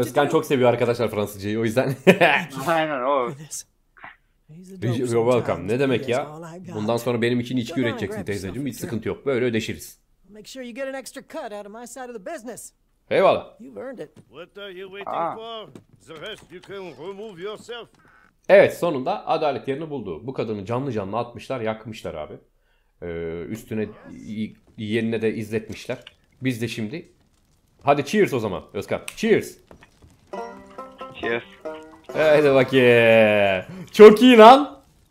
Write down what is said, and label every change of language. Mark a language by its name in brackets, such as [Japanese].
[Turkish] Özkan çok seviyor arkadaşlar Fransızcayı, o yüzden. Aynen, o. [English] You're welcome. [Turkish] Ne demek ya? Bundan sonra benim için içki üreteceksin teyzeciğim. Hiç sıkıntı yok. Böyle ödeşiriz. [English] Make sure you get an extra cut out of my side of the business. [Turkish] Eyvallah. [English] You've earned it. What are you waiting for? The rest you can remove yourself. [Turkish] Evet, sonunda adalet yerini buldu. Bu kadını canlı canlı atmışlar, yakmışlar abi. Üstüne yerine de izletmişler. Biz de şimdi hadi cheers o zaman Özkan. [English] Cheers. Cheers. [Turkish] Hadi bakayım. Çok iyi lan.